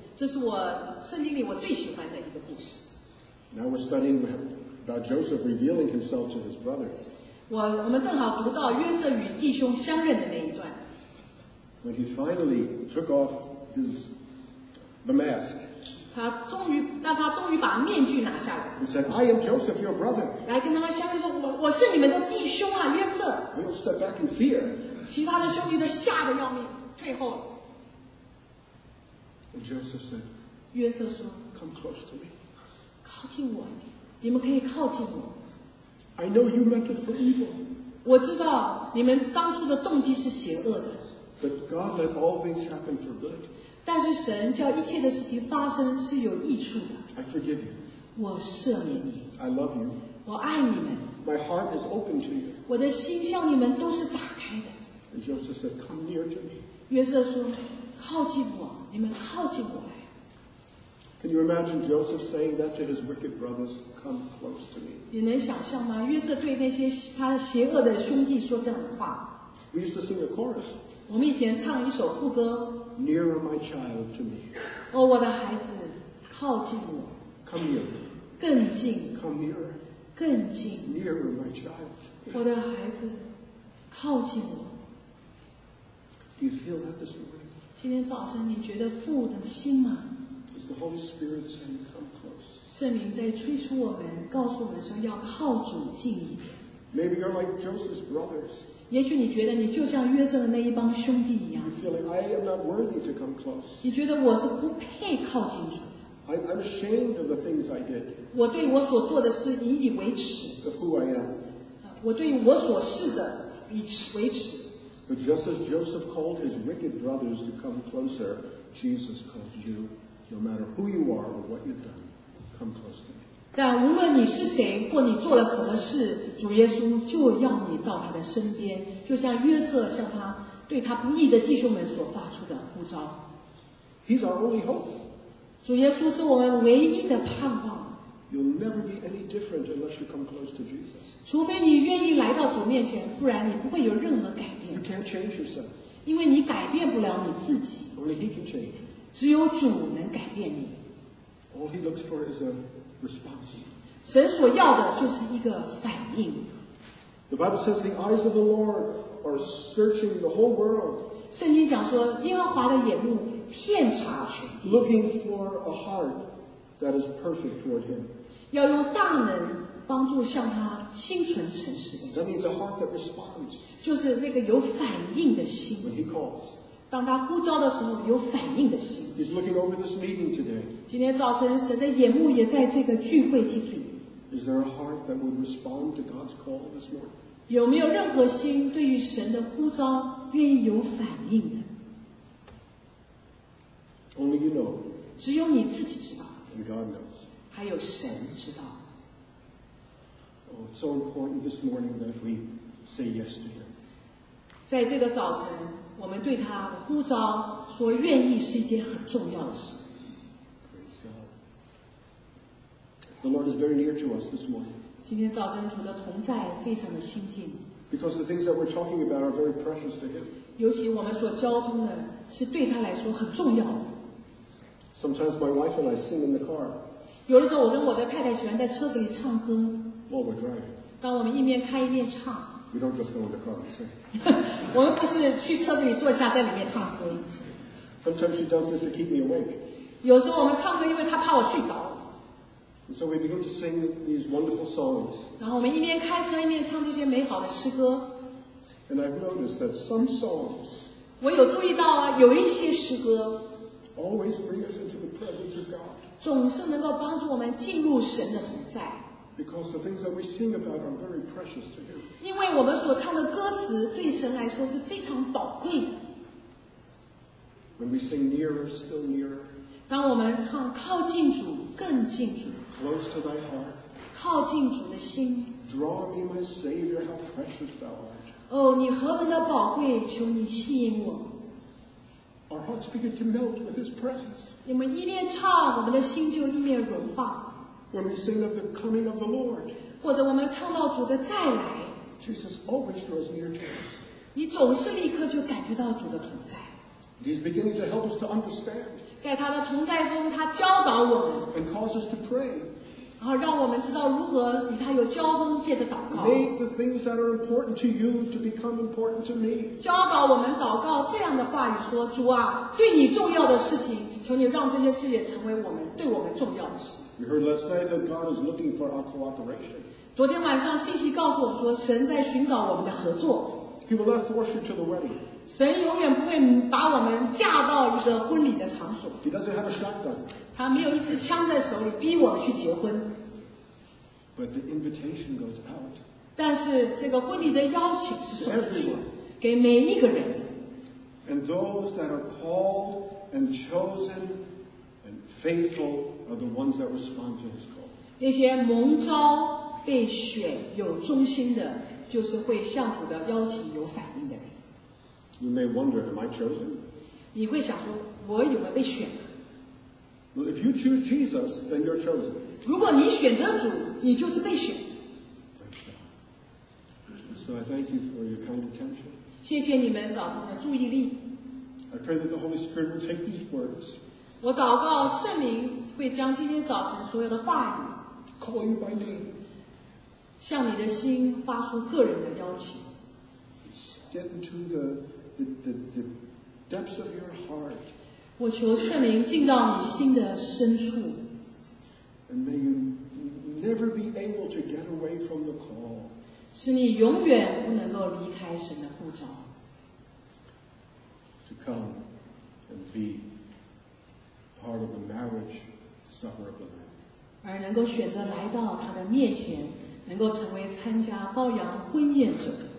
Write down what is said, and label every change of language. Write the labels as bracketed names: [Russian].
[Chinese] 这是我圣经里我最喜欢的一个故事。 [English] Now we're studying about Joseph revealing himself to his brothers. [Chinese] 我们正好读到约瑟与弟兄相认的那一段。 [English] When he finally took off the mask. [Chinese] 他终于把面具拿下来。 [English] He said, I am Joseph, your brother. [Chinese] 来跟他们相认说 我是你们的弟兄啊约瑟。 [English] We all step back in fear. [Chinese] 其他的兄弟都吓得要命退后了。 [English] And Joseph said, [Chinese] 约瑟说 [English] come close to me. [Chinese] 靠近我你们可以靠近我。 [English] I know you meant it for evil. [Chinese] 我知道你们当初的动机是邪恶的。 [English] But God let all things happen for good. [Chinese] 但是神叫一切的事情发生是有益处的。 [English] I forgive you. [Chinese] 我赦免你。 [English] I love you. [Chinese] 我爱你们。 [English] My heart is open to you. [Chinese] 我的心向你们都是打开的。 [English] And Joseph said, come near to me. [Chinese] 约瑟说，靠近我，你们靠近我来。 [English] Can you imagine Joseph saying that to his wicked brothers, come close to me? [Chinese] 你能想象吗？约瑟对那些他邪恶的兄弟说这样的话。 [English] We used to sing a chorus. [Chinese] 我们以前唱一首副歌。 [English] Nearer my child to me. [Chinese] Oh, 我的孩子，靠近我。 [English] Come nearer. [Chinese] 更近。 [English] Come nearer. [Chinese] 更近。 [English] Nearer my child. [Chinese] 我的孩子，靠近我。 [English] Do you feel that this morning? [Chinese] 今天早晨你觉得父的心吗？ [English] Is the Holy Spirit saying, "Come close"? [Chinese] 圣灵在催促我们，告诉我们说要靠主近一点。 [English] Maybe you're like Joseph's brothers. [Chinese] 也许你觉得你就像约瑟的那一帮兄弟一样。 [English] You feel like I am not worthy to come close. [Chinese] 你觉得我是不配靠近主的。 [English] I'm ashamed of the things I did. [Chinese] 我对我所做的事引以为耻。 [English] Of who I am. [Chinese] 我对我所是的以为耻。 [English] But just as Joseph called his wicked brothers to come closer, Jesus calls you, no matter who you are or what you've done, come close to me. [Chinese] 但无论你是谁或你做了什么事主耶稣就要你到他的身边就像约瑟向他对他不义的弟兄们所发出的呼召 [English] He's our only hope [Chinese] 主耶稣是我们唯一的盼望 [English] You'll never be any different unless you come close to Jesus [Chinese] 除非你愿意来到主面前不然你不会有任何改变 [English] You can't change yourself [Chinese] 因为你改变不了你自己 [English] Only he can change [Chinese] 只有主能改变你 [English] All he looks for is aResponse. [Chinese] 神所要的就是一个反应。 [English] The Bible says the eyes of the Lord are searching the whole world. [Chinese] 圣经讲说耶和华的眼目遍察全地。 [English] Looking for a heart that is perfect toward him. [Chinese] 要用大能帮助向他心存诚实。 [English] That means a heart that responds. [Chinese] 就是那个有反应的心。 [English] When he calls. [Chinese] 当他呼召的时候有反应的心 [English] He's looking over this meeting today. [Chinese] 今天早晨神的眼目也在这个聚会厅里 [English] Is there a heart that would respond to God's call this morning? [Chinese] 有没有任何心对于神的呼召愿意有反应的 [English] Only you know. [Chinese] 只有你自己知道 [English] And God knows. [Chinese] 还有神知道 [English] Oh, it's so important this morning that we say yes to him. [Chinese] 在这个早晨我们对他的呼召说愿意是一件很重要的事。 [English] The Lord is very near to us this morning. [Chinese] 今天早晨主的同在非常的亲近。 [English] Because the things that we're talking about are very precious to him. [Chinese] 尤其我们所交通的是对他来说很重要的。 [English] Sometimes my wife and I sing in the car. [Chinese] 有的时候我跟我的太太喜欢在车子里唱歌。 [English] While we're driving. [Chinese] 当我们一面开一面唱。 [English] We don't just go in the car and sing. [Chinese] 我们不是去车子里坐下，在里面唱歌。 [English] Sometimes she does this to keep me awake. [Chinese] 有时候我们唱歌，因为她怕我睡着。 [English] And so we begin to sing these wonderful songs. [Chinese] 然后我们一边开车一边唱这些美好的诗歌。 [English] And I've noticed that some songs. [Chinese] 我有注意到啊，有一些诗歌。 [English] Always bring us into the presence of God. [Chinese] 总是能够帮助我们进入神的同在。 [English] Because the things that we sing about are very precious to Him. [Chinese] 因为我们所唱的歌词对神来说是非常宝贵的。 [English] When we sing nearer, still nearer. [Chinese] 当我们唱靠近主，更近主。 [English] Close to Thy heart. [Chinese] 靠近主的心。 [English] Draw me, my Savior, how precious Thou art. [Chinese] 哦，你何等的宝贵，求你吸引我。 [English] Our hearts begin to melt with His presence. [Chinese] 我们一面唱，我们的心就一面融化。 [English] When we sing of the coming of the Lord. [Chinese] 或者我们唱到主的再来。 [English] Jesus always draws near to us. [Chinese] 你总是立刻就感觉到主的同在。 [English] He's beginning to help us to understand. [Chinese] 在他的同在中，他教导我们。 [English] And calls us to pray. [Chinese] 然后让我们知道如何与他有交通，借着祷告。 [English] Make the things that are important to you to become important to me. [Chinese] 教导我们祷告这样的话语说，主啊，对你重要的事情，求你让这些事也成为我们对我们重要的事。 [English] We heard last night that God is looking for our cooperation. [Chinese] 昨天晚上信息告诉我说，神在寻找我们的合作。 [English] He will not force you to the wedding. [Chinese] 神永远不会把我们嫁到一个婚礼的场所。 [English] He doesn't have a shotgun. [Chinese] 他没有一支枪在手里逼我们去结婚。 [English] But the invitation goes out. [Chinese] 但是这个婚礼的邀请是送出去，给每一个人。 [English] And those that are called and chosen and faithful. Are the ones that respond to his call. [Chinese] 那些蒙召被选有忠心的，就是会向主的邀请有反应的人。 [English] You may wonder, am I chosen? [Chinese] 你会想说，我有没有被选啊？ [English] Well, if you choose Jesus, then you're chosen. [Chinese] 如果你选择主，你就是被选。 [English] So I thank you for your kind attention. [Chinese] 谢谢你们早上的注意力。 [English] I pray that the Holy Spirit will take these words. [Chinese] 我祷告圣灵。会将今天早晨所有的话语 [English] call you by name, [Chinese] 向你的心发出个人的邀请 [English] get into the depths of your heart, [Chinese] 我求圣灵进到你心的深处 [English] and may you never be able to get away from the call, [Chinese] 使你永远不能够离开神的呼召 [English] to come and be part of the marriageSupper of the Lamb. [Chinese] 而能够选择来到他的面前，能够成为参加羔羊婚宴者。